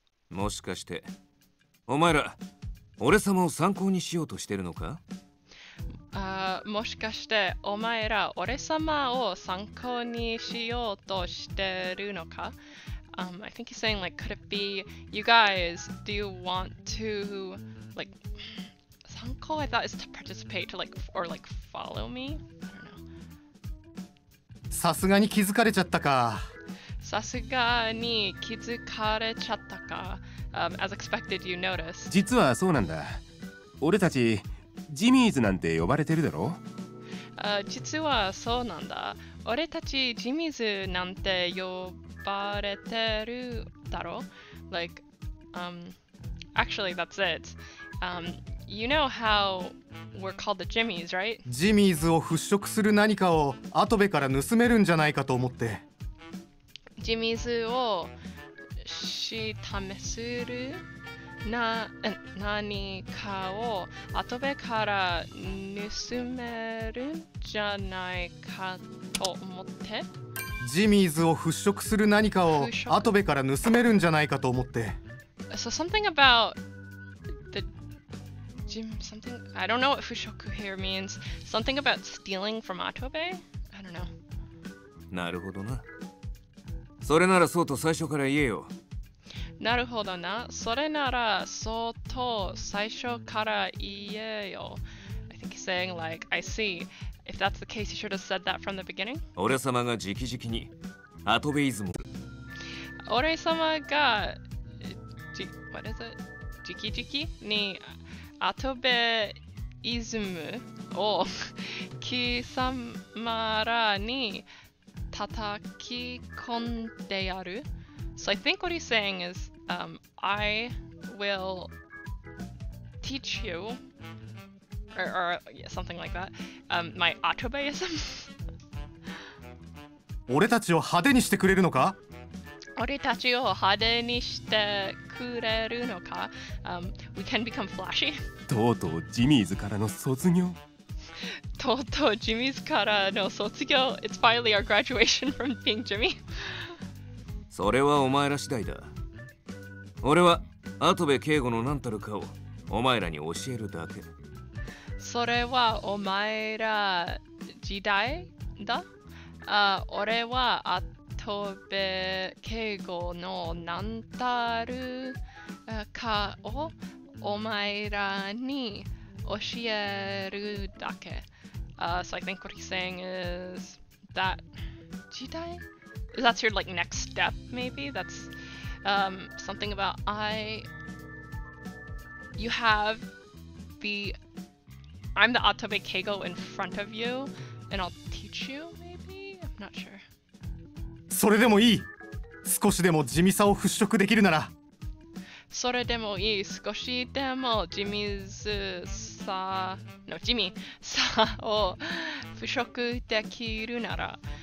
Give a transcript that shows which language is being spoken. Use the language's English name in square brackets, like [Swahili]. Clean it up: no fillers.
[Japanese] もしかして、お前ら、俺様を参考にしようとしてるのか？もしかしてお前ら俺様を参考にしようとしてるのか [English] I think he's saying like, could it be you guys, do you want to like, 参考 I thought is to participate to like, or like follow me? I don't know. [Japanese] さすがに気づかれちゃったか。さすがに気づかれちゃったか。 [English] As expected, you notice. [Japanese] 実はそうなんだ。俺たちジミーズなんて呼ばれてるだろ実はそうなんだ。俺たちジミーズなんて呼ばれてるだろ [English] Like, actually, that's it. You know how we're called the Jimmys, right? [Japanese] ジミーズを払拭する何かをアトベから盗めるんじゃないかと思って。ジミーズをし試する。な何かをアトベから盗めるんじゃないかと思ってジミーズを払拭する何かをアトベから盗めるんじゃないかと思って [English] So something about the Jim something I don't know what 払拭 here means something about stealing from Atobe? I don't know [Japanese] なるほどなそれならそうと最初から言えよなるほどな。それなら、そうと最初から言えよ。 [English] I think he's saying, like, I see. If that's the case, you should have said that from the beginning. [Japanese] 俺様が直々に、アトベイズも。俺様が、 [English] what is it? [Japanese] 直々に、アトベイズムを、貴様らに叩き込んでやる。 [English] So I think what he's saying is,I will teach you, or yeah, something like that, my Atobeism. [Japanese] 俺たちを派手にしてくれるのか俺たちを派手にしてくくれるのか、 [English] We can become flashy. [Japanese] とうとうジミーズからの卒業。とうとうジミーズからの卒業。 [English] It's finally our graduation from being Jimmy. [Japanese] それはお前ら次第だ。俺はアトベ敬語の何たるかをお前らに教えるだけ。それはお前ら時代だ。俺はアトベ敬語の何たるかをお前らに教えるだけ。 [English] So I think what he's saying is that 時代? That's your like next step, maybe? That's something about you have I'm the Atobe Keigo in front of you, and I'll teach you, maybe? I'm not sure. [Japanese] それでもいい。少しでも地味さを払拭できるなら。それでもいい。少しでも地味ずさ、no, 地味さを払拭できるなら。